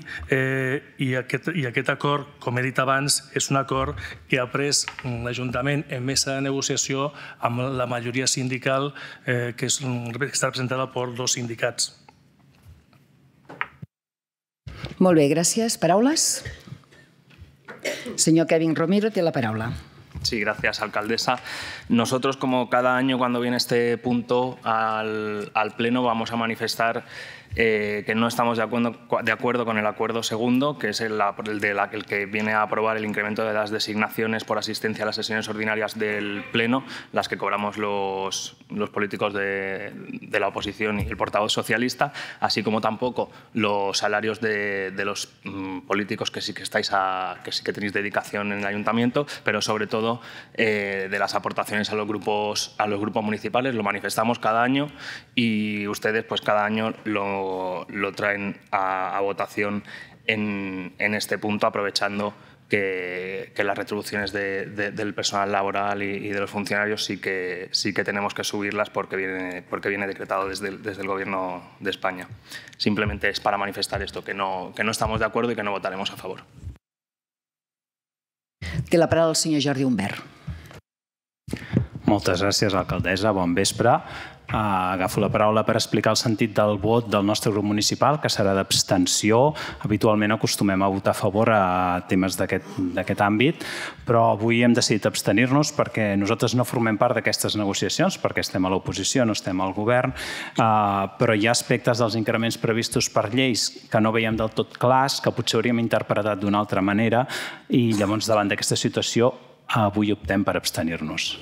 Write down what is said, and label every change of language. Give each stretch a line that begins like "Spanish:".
Catalan: I aquest acord, com he dit abans, és un acord que ha pres l'Ajuntament en mesa de negociació amb la majoria sindical que està representada per dos sindicats. Molt bé, gràcies. Paraules? Senyor Kevin Romero té la paraula.
Spanish: Sí, gracias, alcaldesa. Nosotros, como cada año cuando viene este punto al pleno, vamos a manifestar que no estamos de acuerdo con el acuerdo segundo, que es el que viene a aprobar el incremento de las designaciones por asistencia a las sesiones ordinarias del pleno, las que cobramos los políticos de la oposición y el portavoz socialista, así como tampoco los salarios de los políticos que tenéis dedicación en el ayuntamiento, pero sobre todo de las aportaciones a los grupos municipales. Lo manifestamos cada año y ustedes pues cada año lo traen a votación en este punto, aprovechando que las retribuciones del personal laboral y de los funcionarios sí que tenemos que subirlas porque viene decretado desde el Gobierno de España. Simplemente es para manifestar esto, que no estamos de acuerdo y que no votaremos a favor.
Catalan: Té la paraula el senyor Jordi Humbert. Moltes gràcies, alcaldessa. Bon vespre. Agafo la paraula per explicar el sentit del vot del nostre grup municipal, que serà d'abstenció. Habitualment acostumem a votar a favor a temes d'aquest àmbit, però avui hem decidit abstenir-nos perquè nosaltres no formem part d'aquestes negociacions, perquè estem a l'oposició, no estem al govern, però hi ha aspectes dels increments previstos per lleis que no veiem del tot clars, que potser hauríem interpretat d'una altra manera, i llavors davant d'aquesta situació avui optem per abstenir-nos.